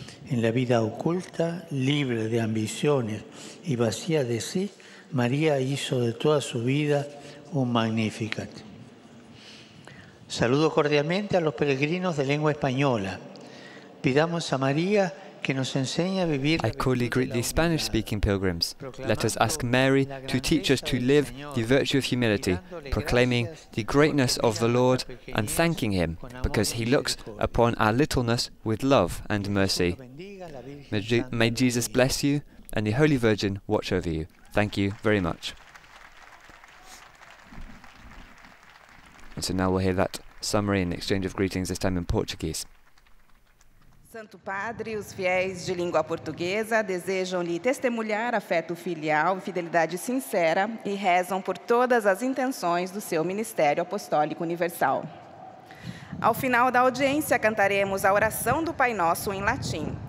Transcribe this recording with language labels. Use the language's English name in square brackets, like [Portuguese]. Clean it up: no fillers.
[Spanish] En la vida oculta, libre de ambiciones y vacía de sí, María hizo de toda su vida un Magnificat. Saludo cordialmente a los peregrinos de lengua española. Pidamos a María que nos enseñe a vivir. [English] I coolly greet the Spanish-speaking pilgrims. Let us ask Mary to teach us to live the virtue of humility, proclaiming the greatness of the Lord and thanking Him because He looks upon our littleness with love and mercy. May Jesus bless you and the Holy Virgin watch over you. Thank you very much. And so now we'll hear that summary and exchange of greetings, this time in Portuguese. [Portuguese] Santo Padre, os fiéis de língua portuguesa desejam-lhe testemunhar afeto filial e fidelidade sincera e rezam por todas as intenções do seu ministério apostólico universal. Ao final da audiência, cantaremos a oração do Pai Nosso em latim.